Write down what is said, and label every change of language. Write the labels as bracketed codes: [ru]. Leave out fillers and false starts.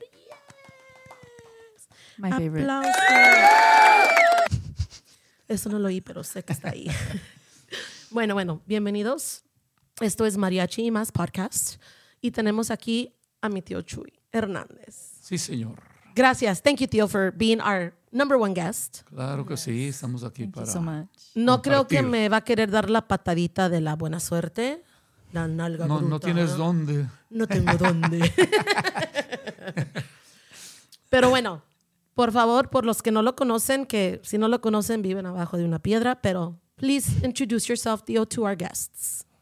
[en] Yes. My favorite. [es] Eso no lo oí, pero sé que está ahí. Bueno, bueno, bienvenidos. Esto es Mariachi Y Mas Podcast. Y tenemos aquí a mi tío Chuy Hernández. Sí, señor. Gracias. [en] Thank you, tío, for being our number one guest. [es] Claro que sí. Estamos aquí [en] Thank [es] para [en] you so much. [es] No compartir. Creo que me va a querer dar la patadita de la buena suerte. La nalga no, bruta. No tienes dónde. No tengo dónde. Pero bueno, por favor, por los que no lo conocen, que si no lo conocen, viven abajo de una piedra, pero [en] please introduce yourself, Theo, to our guests.